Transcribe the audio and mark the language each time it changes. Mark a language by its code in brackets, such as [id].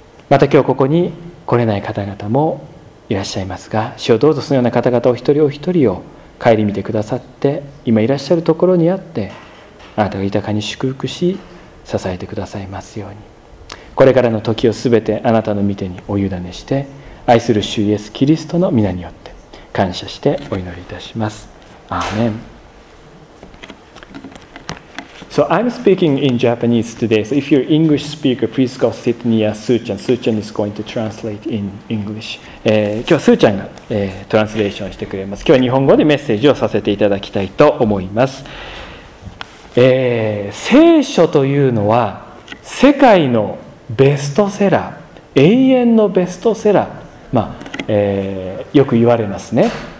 [ja] また今日ここに来れない方々もいらっしゃいますが、主よどうぞそのような方々を一人お一人を顧みてくださって、今いらっしゃるところにあってあなたが豊かに祝福し支えてくださいますように、これからの時をすべてあなたの御手にお委ねして、愛する主イエスキリストの御名によって感謝してお祈りいたします。アーメン。 [en] So I'm speaking in Japanese today. So if you're an English speaker, please go sit near Su-chan. Su-chan is going to translate in English. [ja] 今日は Su-chan が、トランスレーションしてくれます。今日は日本語でメッセージをさせていただきたいと思います。聖書というのは世界のベストセラー、永遠のベストセラー、よく言われますね。